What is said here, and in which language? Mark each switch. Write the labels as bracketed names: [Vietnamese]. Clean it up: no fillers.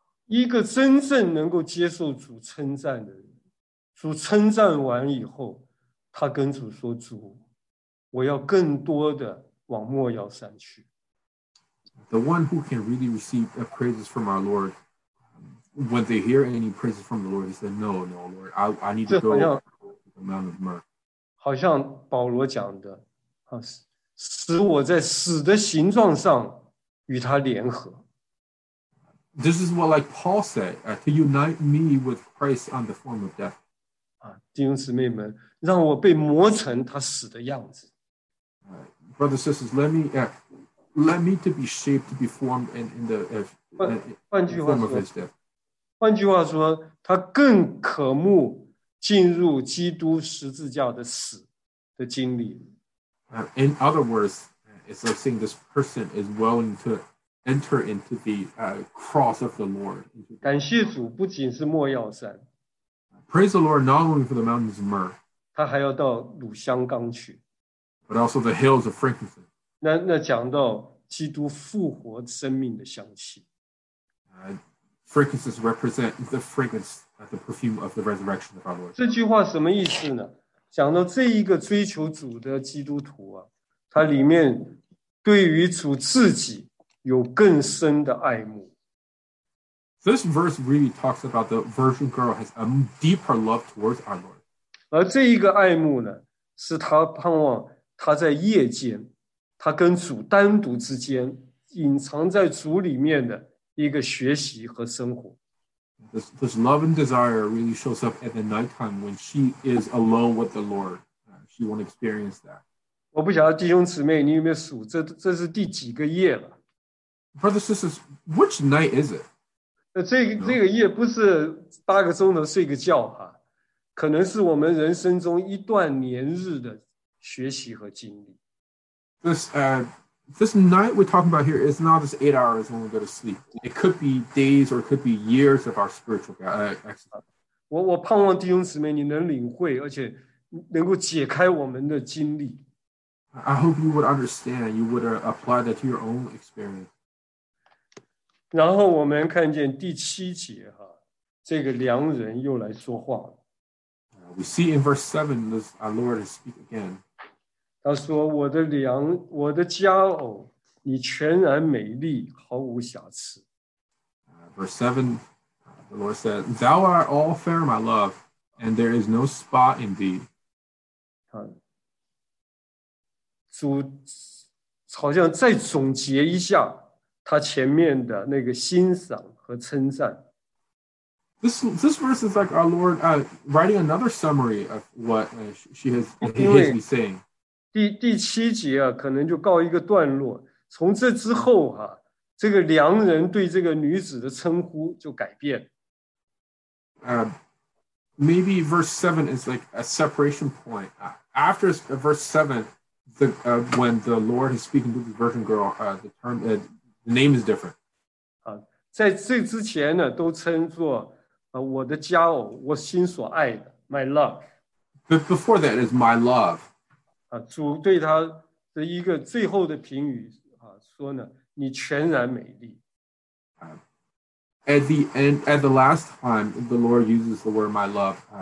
[Chinese] 一个真正能够接受主称赞的人。主称赞完以后，他跟主说：“主，我要更多的往莫要山去。” [English] The one who can really receive praises from our Lord, when they hear any praises from the Lord, he said, "No, no, Lord, I need to go to the Mount of Myrrh." [Chinese] 好像保罗讲的，使我在死的形状上与他联合。 [English] This is what like Paul said, to unite me with Christ on the form of death. [Chinese] 弟兄姊妹们，让我被磨成他死的样子。 [English] Brothers and sisters, let me to be shaped, to be formed in the form of his death. [Chinese] 换句话说，他更渴慕进入基督十字架的死的经历。 [English] In other words, it's like saying this person is willing to enter into the cross of the Lord. [Chinese] 感谢主，不仅是莫要山。 [English] Praise the Lord not only for the mountains of myrrh, [Chinese] 他还要到鲁香冈去, [English] but also the hills of frankincense. [Chinese] 那讲到基督复活生命的香气。 [English] Frankincense represents the fragrance, the perfume of the resurrection of our Lord. [Chinese] 这句话什么意思呢？讲到这一个追求主的基督徒啊，他里面对于主自己有更深的爱慕。 [English] This verse really talks about the virgin girl has a deeper love towards our Lord. [Chinese] 而这一个爱慕呢，是她盼望她在夜间，她跟主单独之间隐藏在主里面的一个学习和生活。 [English] This love and desire really shows up at the nighttime when she is alone with the Lord. She won't experience that. [Chinese] 我不晓得弟兄姊妹，你有没有数这是第几个夜了 [English] ？Brothers, sisters, which night is it? [Chinese] 这个夜不是八个钟头睡个觉哈，可能是我们人生中一段年日的学习和经历。 [English] This night we're talking about here is not just 8 hours when we go to sleep. It could be days or it could be years of our spiritual exercise. [Chinese] 我盼望弟兄姊妹你能领会，而且能够解开我们的经历。 [English] I hope you would understand, you would apply that to your own experience. [Chinese] 然后我们看见第七节哈，这个良人又来说话了。 [English] We see in verse 7, this, our Lord is speaking again. [Chinese] 他说我的良，我的佳偶，你全然美丽，毫无瑕疵。 [English] Verse 7, the Lord said, Thou art all fair, my love, and there is no spot in thee. [Chinese] 主好像再总结一下他前面的那个欣赏和称赞。 [English] This verse is like our Lord writing another summary of what he has been saying. [Chinese] 第七节啊，可能就告一个段落。从这之后啊，这个良人对这个女子的称呼就改变。 [English] Maybe verse 7 is like a separation point. After verse 7, when the Lord is speaking to the virgin girl, the name is different. [Chinese] 在这之前呢，都称作我的佳偶，我心所爱的 ， [English] my love. But before that is my love. [Chinese] 主对他的一个最后的评语说呢，你全然美丽。 [English] At the last time, the Lord uses the word my love.